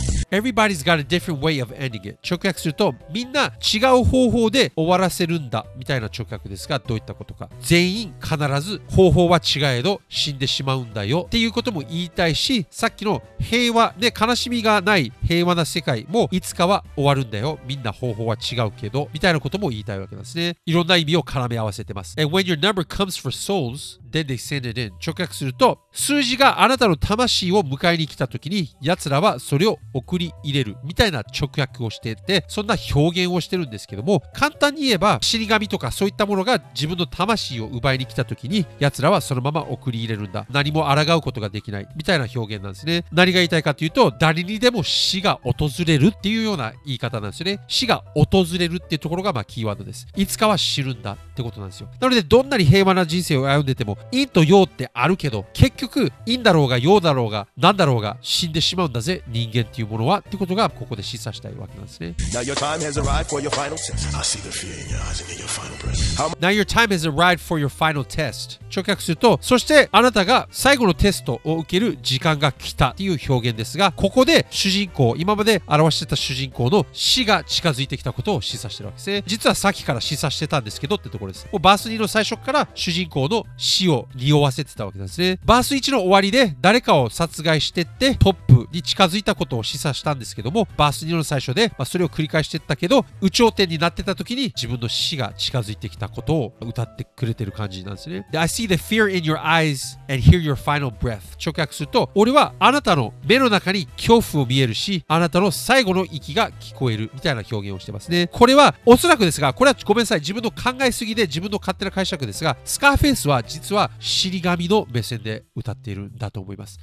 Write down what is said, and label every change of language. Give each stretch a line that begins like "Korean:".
English: Everybody's got a different way of ending it.
Japanese: 直訳すると、みんな違う方法で終わらせるんだみたいな直訳ですが、どういったことか。全員必ず方法は違えど死んでしまうんだよっていうことも言いたいし、さっきの平和で悲しみがない平和な世界もいつかは終わるんだよ、みんな方法は違うけどみたいなことも言いたいわけですね。いろんな意味を絡め合わせてます。
English: And when your number comes for souls, then they send it in.
Japanese: 直訳すると、数字があなたの魂を迎えに来た時に奴らはそれを送り入れるみたいな直訳をしていて、そんな表現をしてるんですけども、簡単に言えば死神とかそういったものが自分の魂を奪いに来た時に奴らはそのまま送り入れるんだ、何も抗うことができないみたいな表現なんですね。何が言いたいかというと、誰にでも死が訪れるっていうような言い方なんですよね。死が訪れるっていうところがまあキーワードです。いつかは死ぬんだってことなんですよ。なのでどんなに平和な人生を歩んでても、陰と陽ってあるけど、結局陰だろうが陽だろうが何だろうが死んでしまうんだぜ、人間っていうものはってことがここで示唆したいわけなんですね。
English: Now your time has arrived for your final test. I see the fear in your eyes and in your final breath. Now your time has arrived for your final test.
Japanese: 直訳すると、そしてあなたが最後のテストを受ける時間が来たっていう表現ですが、ここで主人公、今まで表してた主人公の死が近づいてきたことを示唆してるわけですね。実はさっきから示唆してたんですけどってところです。もうバース2の最初から主人公の死を匂わせてたわけなんですね。バース1の終わりで誰かを殺害してってトップに近づいたことを示唆したんですけども、バース2の最初で、まあ、それを繰り返してったけど、有頂天になってた時に自分の死が近づいてきたことを歌ってくれてる感じなんですね。
English: で、 I see the fear in your eyes and hear your final breath.
Japanese: 直訳すると、俺はあなたの目の中に恐怖を見えるし、あなたの最後の息が聞こえるみたいな表現をしてますね。これはおそらくですが、これはごめんなさい、自分の考えすぎで自分の勝手な解釈ですが、スカーフェイスは実は死神の目線で歌っているんだと思います。